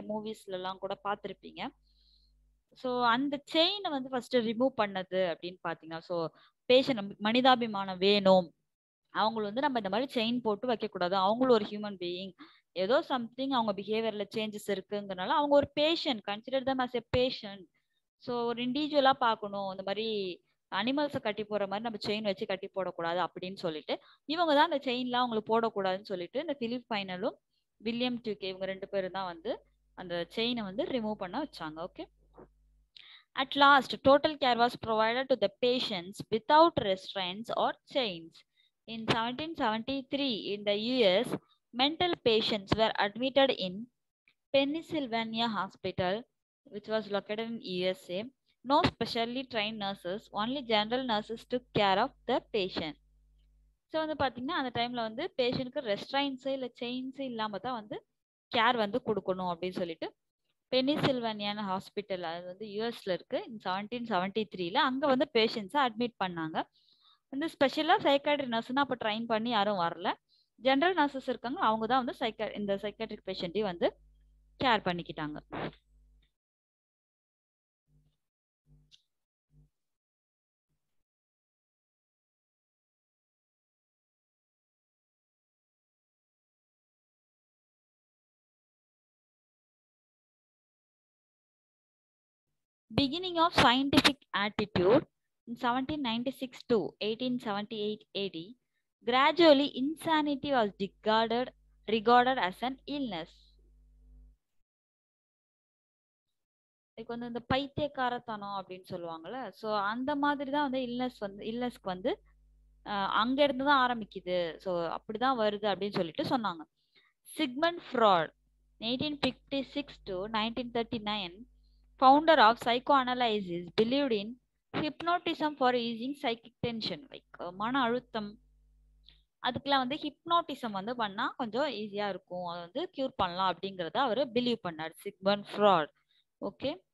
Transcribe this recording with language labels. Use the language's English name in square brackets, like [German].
[Tamil] நிறைய மூவிஸ்லலாம் கூட பார்த்துருப்பீங்க. ஸோ அந்த செயினை வந்து ஃபஸ்ட்டு ரிமூவ் பண்ணது அப்படின்னு பார்த்தீங்கன்னா, ஸோ பேஷண்ட் மனிதாபிமானம் வேணும், அவங்களை வந்து நம்ம இந்த மாதிரி செயின் போட்டு வைக்கக்கூடாது, அவங்களும் ஒரு ஹியூமன் பீயிங், ஏதோ சம்திங் அவங்க பிஹேவியரில் சேஞ்சஸ் இருக்குங்கிறனால அவங்க ஒரு patient [English] Consider them as a patient. [Tamil] So ஒரு இண்டிவிஜுவலாக பார்க்கணும், இந்த மாதிரி அனிமல்ஸை கட்டி போகிற மாதிரி நம்ம செயின் வச்சு கட்டி போடக்கூடாது அப்படின்னு சொல்லிட்டு இவங்க தான் அந்த செயின்லாம் அவங்களுக்கு போடக்கூடாதுன்னு சொல்லிட்டு இந்த ஃபிலிப் ஃபைனலும் வில்லியம் டியூகே இவங்க ரெண்டு பேரும் தான் வந்து அந்த செயினை வந்து ரிமூவ் பண்ண வச்சாங்க. Okay. [English] At last, total care was provided to the patients without restraints or chains. In 1773, in the US, mental patients were admitted in Pennsylvania Hospital, which was located in USA. No specially trained nurses, only general nurses took care of the patient. [Tamil] So, வந்து பார்த்தீங்கன்னா அந்த டைம்ல வந்து பேஷண்ட்க்கு restrains இல்லை chains இல்லாம தான் வந்து care வந்து கொடுக்கணும் அப்படின்னு சொல்லிட்டு பென்னிசில்வேனியான ஹாஸ்பிட்டல் அது வந்து யூஎஸ்ல இருக்கு. 1773 அங்கே வந்து பேஷண்ட்ஸை அட்மிட் பண்ணாங்க. வந்து ஸ்பெஷலாக சைக்காட்ரி நர்ஸ்னா அப்போ ட்ரைன் பண்ணி யாரும் வரல, ஜென்ரல் நர்சஸ் இருக்காங்க அவங்க தான் வந்து இந்த சைக்காட்ரிக் பேஷண்ட்டையும் வந்து கேர் பண்ணிக்கிட்டாங்க. [English] Beginning of scientific attitude in 1796 to 1878 AD, gradually insanity was regarded as an illness. [Tamil] இப்போ வந்து இந்த பைத்தியக்காரத்தனம் அப்படின்னு சொல்லுவாங்கல்ல, ஸோ அந்த மாதிரி தான் வந்து இல்னஸ்க்கு வந்து அங்கிருந்து தான் ஆரம்பிக்குது, ஸோ அப்படிதான் வருது அப்படின்னு சொல்லிட்டு சொன்னாங்க. Sigmund Freud [English] 1856 to 1939 founder of psychoanalysis believed in hypnotism for easing psychic tension, like [Tamil] மன அழுத்தம் அதுக்கெல்லாம் வந்து ஹிப்னோட்டிசம் வந்து பண்ணால் கொஞ்சம் ஈஸியாக இருக்கும், அதை வந்து க்யூர் பண்ணலாம் அப்படிங்கிறத அவர் பிலீவ் பண்ணார் சிக்மண்ட் ஃப்ராய்ட். ஓகே.